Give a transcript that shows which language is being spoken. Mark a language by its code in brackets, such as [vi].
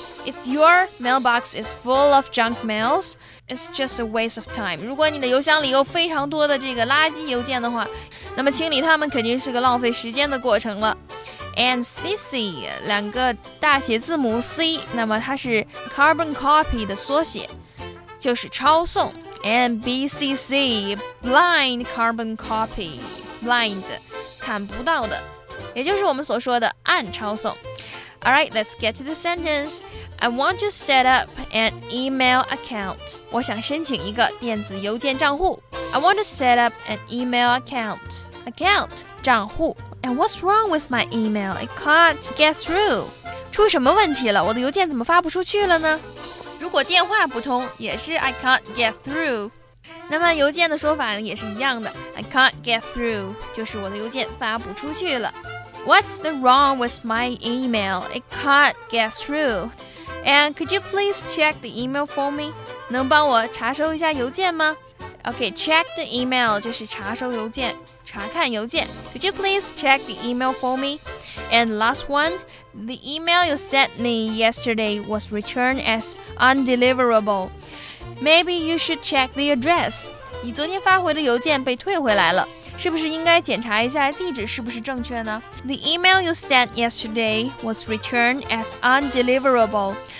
[en] If your mailbox is full of junk mails, it's just a waste of time. [zh] 如果你的邮箱里有非常多的这个垃圾邮件的话，那么清理它们肯定是个浪费时间的过程了。 [en] And CC, [zh] 两个大写字母 C, 那么它是 carbon copy 的缩写，就是抄送。 [en] And BCC, blind carbon copy, blind, [zh] 看不到的，也就是我们所说的暗抄送。 [en] Alright, let's get to the sentence. I want to set up an email account. [zh] 我想申请一个电子邮件账户。 [en] I want to set up an email account. Account, 账户。And what's wrong with my email? It can't get through. [zh] 出什么问题了？我的邮件怎么发不出去了呢？如果电话不通，也是 [en] I can't get through. [zh] 那么邮件的说法也是一样的。 [en] I can't get through, [zh] 就是我的邮件发不出去了。 [en] What's the wrong with my email? It can't get through. And could you please check the email for me? [zh] 能帮我查收一下邮件吗？ [en] Okay, check the email [zh] 就是查收邮件，查看邮件。 [en] Could you please check the email for me? And last one, the email you sent me yesterday was returned as undeliverable. Maybe you should check the address. [zh] 你昨天发回的邮件被退回来了。是不是应该检查一下地址是不是正确呢 [en] ?The email you sent yesterday was returned as undeliverable.